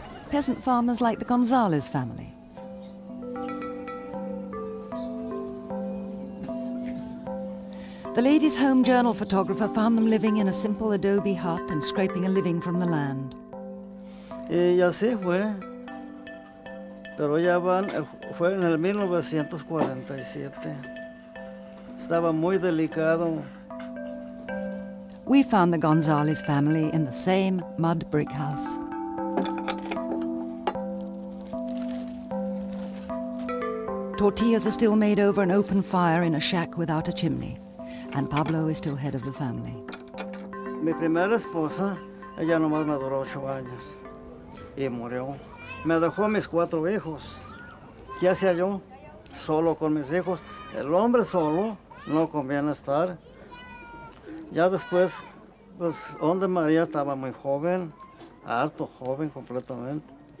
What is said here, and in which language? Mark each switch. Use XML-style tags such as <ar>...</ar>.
<en>Peasant farmers like the Gonzalez family. The Ladies' Home Journal photographer found them living in a simple adobe hut and scraping a living from the land.</en> <es>Ella se fue, pero ya van fue en el 1947. Estaba muy delicado.</es> <en>We found the Gonzalez family in the same mud brick house. Tortillas are still made over an open fire in a shack without a chimney. And Pablo is still head of the family.</en> <es>Mi primera esposa, ella nomás me duró 8 años y murió. Me dejó mis 4 hijos. ¿Qué hacía yo? Solo con mis hijos. El hombre solo no conviene estar. Ya después, pues, donde María estaba muy joven, harto joven completamente.</es>